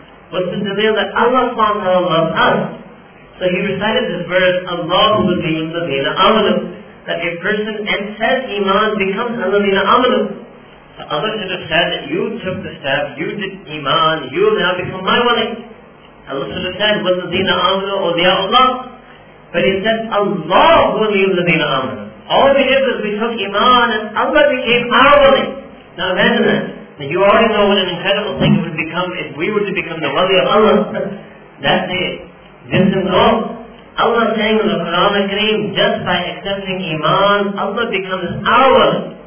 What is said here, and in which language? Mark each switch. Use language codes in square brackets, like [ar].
[en] What's the dalil that Allah subhanahu wa ta'ala loves us? So he recited this verse, Allahu ladheena ladheena amanu. That a person and says Iman becomes ladheena amanu. The other should have said that you took the step, you did Iman, you now become my wali. [ar] Allah should have said, وَالَّذِينَ آمَنُوا أَوْلِيَاءُ اللَّهِ. But he said, اللَّهُ وَلِيُّ الَّذِينَ آمَنُوا. [en] All we did was we took Iman and Allah became our wali. Now imagine that. You already know what an incredible thing it would become if we were to become the wali of Allah. That's it. This is all. Allah saying in the Quran al-Kareem, just by accepting Iman, Allah becomes our wali.